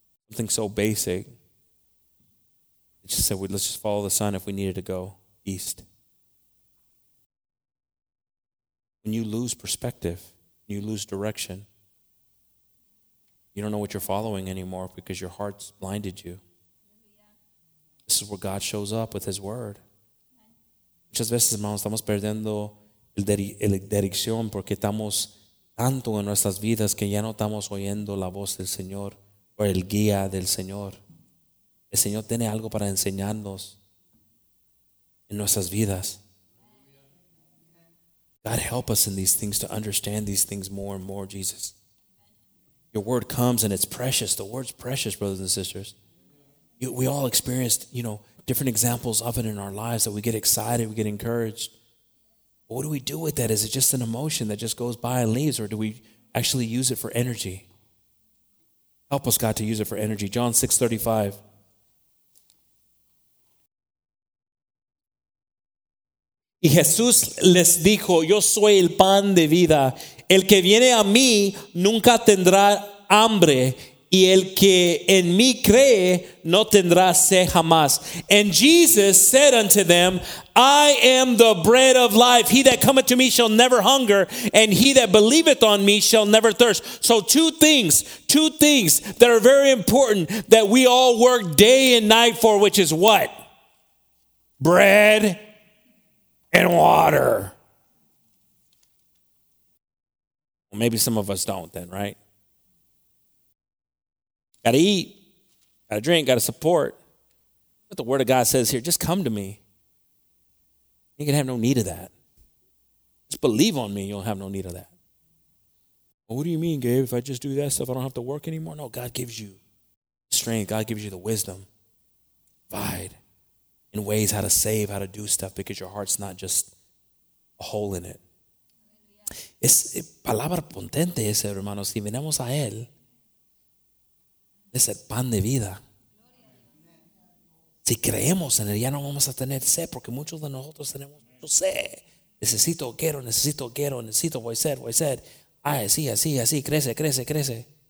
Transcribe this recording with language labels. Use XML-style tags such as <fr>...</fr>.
<en>Something so basic. It just said, let's just follow the sun if we needed to go east. When you lose perspective, you lose direction. You don't know what you're following anymore because your heart's blinded you. This is where God shows up with his word.</en> <es>Muchas veces, hermanos, estamos perdiendo el dirección porque estamos tanto en nuestras vidas que ya no estamos oyendo la voz del Señor o el guía del Señor. El Señor tiene algo para enseñarnos. en nuestras vidas.</es> <en>God, help us in these things to understand these things more and more, Jesus. Your word comes and it's precious. The word's precious, brothers and sisters. We all experienced, you know, different examples of it in our lives that we get excited, we get encouraged. But what do we do with that? Is it just an emotion that just goes by and leaves, or do we actually use it for energy? Help us, God, to use it for energy. John 6:35.</en> <es>Y Jesús les dijo, yo soy el pan de vida. El que viene a mí nunca tendrá hambre. Y el que en mí cree no tendrá sed jamás.</es> <en>And Jesus said unto them, I am the bread of life. He that cometh to me shall never hunger, and he that believeth on me shall never thirst. So two things that are very important that we all work day and night for, which is what? Bread and water. Well, maybe some of us don't then, right? Got to eat, got to drink, got to support. But the word of God says here, just come to me. You can have no need of that. Just believe on me, you'll have no need of that. Well, what do you mean, Gabe, if I just do that stuff, I don't have to work anymore? No, God gives you strength. God gives you the wisdom. Provide in ways how to save, how to do stuff, because your heart's not just a hole in it.</en> <es>Es palabra potente ese, hermanos. Si venimos a él, es el pan de vida. Si creemos en él, ya no vamos a tener sed, porque muchos de nosotros tenemos mucho sed. Necesito, voy a ser. Ay, así, crece.</es>